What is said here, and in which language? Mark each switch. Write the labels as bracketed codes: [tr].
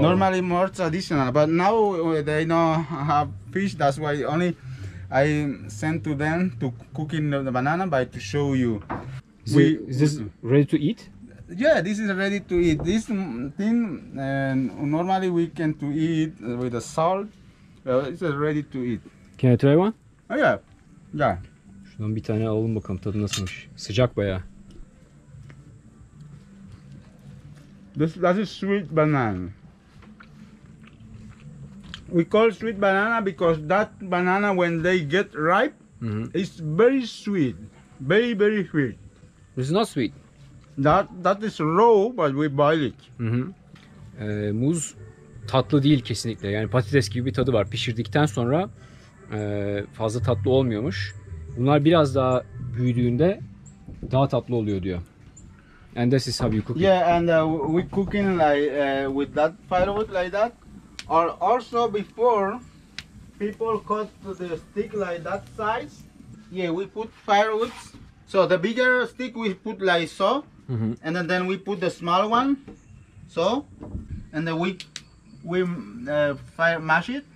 [en] Normally more traditional, but now they don't have fish, that's why only I sent to them to cook in the banana by to show you. Is this ready to eat? Yeah, this is ready to eat. This thing, normally we can to eat with the salt. It's ready to eat. Can I try one? Oh yeah. Yeah. [tr] Şundan bir tane alalım bakalım tadı nasılmış. Sıcak bayağı. [en] That is sweet banana. We call sweet banana because that banana when they get ripe, mm-hmm. it's very sweet, very very sweet. It's not sweet. That is raw, but we boil it. [tr] Muz tatlı değil kesinlikle. Yani patates gibi bir tadı var. Pişirdikten sonra fazla tatlı olmuyormuş. Bunlar biraz daha büyüdüğünde daha tatlı oluyor diyor. [en] And this is how you cook it. Yeah, and we cooking like with that firewood like that. Or also before people cut the stick like that size, yeah, we put firewood. So the bigger stick we put like so, mm-hmm. and then we put the small one, so, and then we mash it.